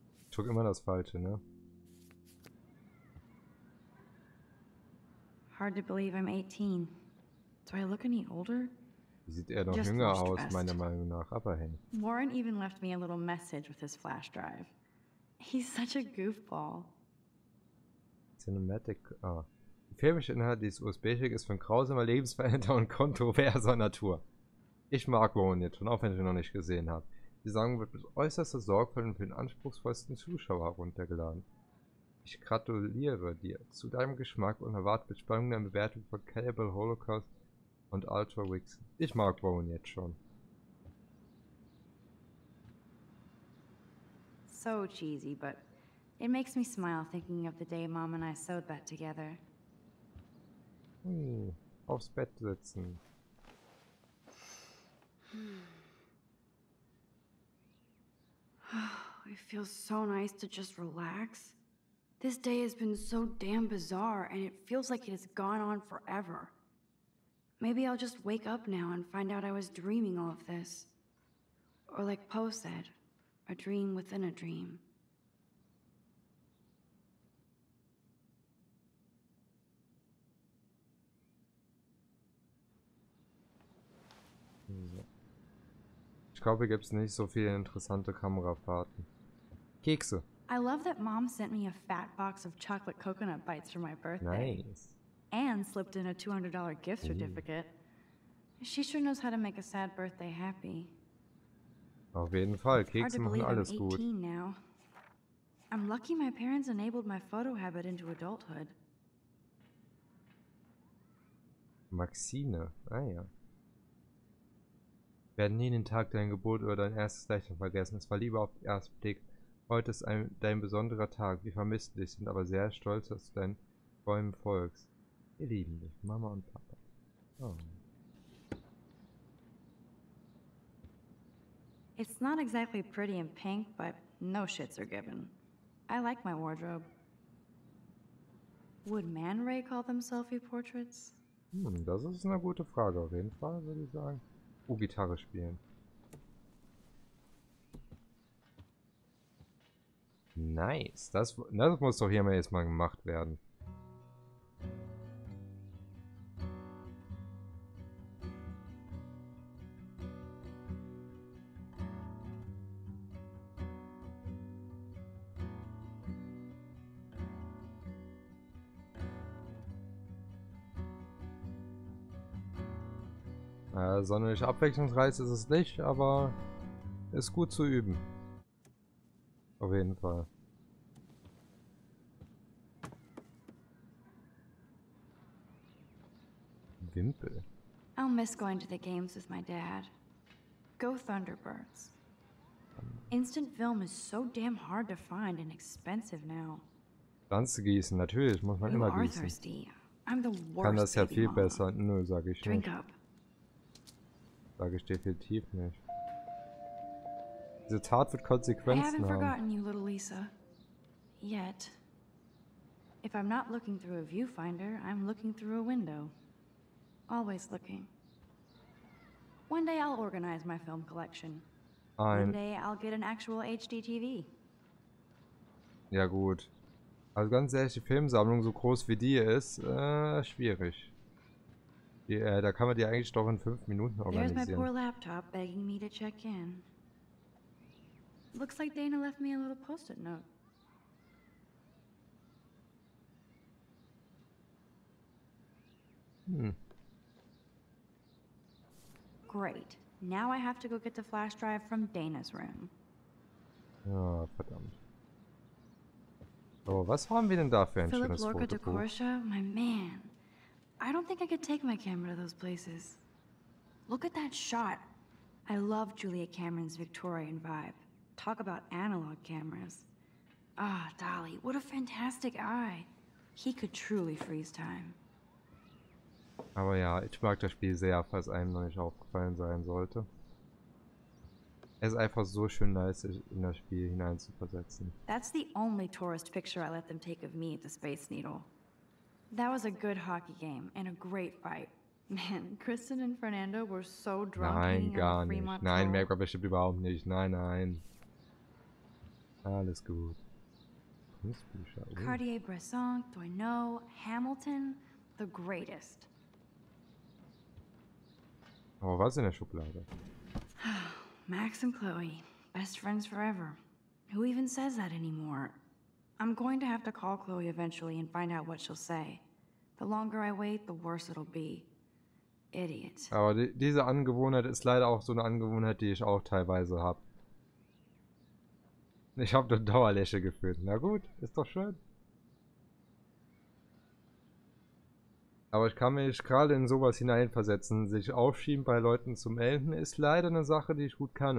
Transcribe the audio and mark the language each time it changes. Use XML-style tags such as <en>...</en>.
<de>Ich drück immer das Falsche, ne?</de> <en>Hard to believe I'm 18. Do I look any older?</en> <de>Wie sieht er doch jünger aus, meiner Meinung nach, aber hey.</de> <en>Warren even left me a little message with his flash drive. He's such a goofball. Cinematic. Ah.</en> <de>Die filmische Inhalt dieses USB-Stick ist von grausamer, lebensveränderter und kontroverser Natur. Ich mag Warren jetzt schon, auch wenn ich ihn noch nicht gesehen habe. Die Sammlung wird mit äußerster Sorgfalt und für den anspruchsvollsten Zuschauer heruntergeladen. Ich gratuliere dir zu deinem Geschmack und erwarte mit Spannung deine Bewertung von Cannibal Holocaust und Ultra Vixen. Ich mag Bowen jetzt schon.</de> <en>So cheesy, but it makes me smile thinking of the day Mom and I sewed that together.</en> <de>Aufs Bett sitzen.</de> <en>It feels so nice to just relax. This day has been so damn bizarre, and it feels like it has gone on forever. Maybe I'll just wake up now and find out I was dreaming all of this. Or like Poe said, a dream within a dream.</en> <de>Ich glaube, hier gibt es nicht so viele interessante Kamerafahrten. Kekse.</de> <en>I love that Mom sent me a fat box of chocolate coconut bites for my birthday. Nice. And slipped in a $200 gift certificate. She sure knows how to make a sad birthday happy.</en> <de>Auf jeden Fall, Kekse machen alles gut.</de> <en>I'm lucky my parents enabled my photo habit into adulthood.</en> <de>Maxine, ah ja. Werden nie den Tag deiner Geburt oder dein erstes Lächeln vergessen. Es war lieber auf den ersten Blick. Heute ist dein besonderer Tag. Wir vermissen dich, sind aber sehr stolz, dass du deinen Träumen folgst. Wir lieben dich, Mama und Papa. Oh.</de> <en>It's not exactly pretty in pink, but no shits are given. I like my wardrobe. Would Man Ray call them selfie portraits?</en> <de>Das ist eine gute Frage, auf jeden Fall, würde ich sagen. Gitarre spielen. Nice. Das muss doch hier mal jetzt mal gemacht werden. Sonderlich abwechslungsreich ist es nicht, aber ist gut zu üben. Auf jeden Fall. Wimpel.</de> <en>I'll miss going to the games with my dad. Go Thunderbirds. Instant film is so damn hard to find and expensive now.</en> <de>Pflanze gießen, natürlich muss man immer gießen. Kann das ja viel besser. Nö, sag ich nicht.</de> <en>Drink up.</en> <de>Sage ich definitiv nicht. Diese Tat wird Konsequenzen haben.</de> <en>I haven't forgotten you, little Lisa. Yet. If I'm not looking through a viewfinder, I'm looking through a window. Always looking. One day I'll organize my film collection. One day I'll get an actual HDTV.</en> <de>Ja gut. Also ganz ehrlich, die Filmsammlung so groß wie die ist, schwierig. Yeah, da kann man die eigentlich doch in 5 Minuten organisieren.</de> <en>There's my poor laptop begging me to check in. Looks like Dana left me a little post-it note. Great. Now I have to go get the flash drive from Dana's room.</en> <de>Oh, verdammt. Oh, was haben wir denn da für ein Philip schönes Lorca Fotobuch?</de> <en>Philip Lorca de Corsia, my man. I don't think I could take my camera to those places. Look at that shot. I love Julia Cameron's Victorian vibe. Talk about analog cameras. Ah, Dolly, what a fantastic eye. He could truly freeze time.</en> <de>Aber ja, ich mag das Spiel sehr, falls einem noch nicht aufgefallen sein sollte. Es ist einfach so schön, nice in das Spiel hineinzuversetzen.</de> <en>That's the only tourist picture I let them take of me at the Space Needle. That was a good hockey game and a great fight. Man, Kristen and Fernando were so drunk.</en> <de>Nein, gar nicht. Nein, Merkur bestimmt überhaupt nicht. Nein, nein. Alles gut. Kunstbücher.</de> <en>Cartier-Bresson, Doineau, Hamilton, the greatest.</en> <de>Oh, was in der Schublade?</de> <en>Max and Chloe, best friends forever. Who even says that anymore? I'm going to have to call Chloe eventually and find out what she'll say. The longer I wait, the worse it'll be. Idiot.</en> <de>Aber diese Angewohnheit ist leider auch so eine Angewohnheit, die ich auch teilweise habe. Ich habe eine Dauerlächel gefühlt. Na gut, ist doch schön. Aber ich kann mich gerade in sowas hineinversetzen. Sich aufschieben bei Leuten zum Melden ist leider eine Sache, die ich gut kann.</de>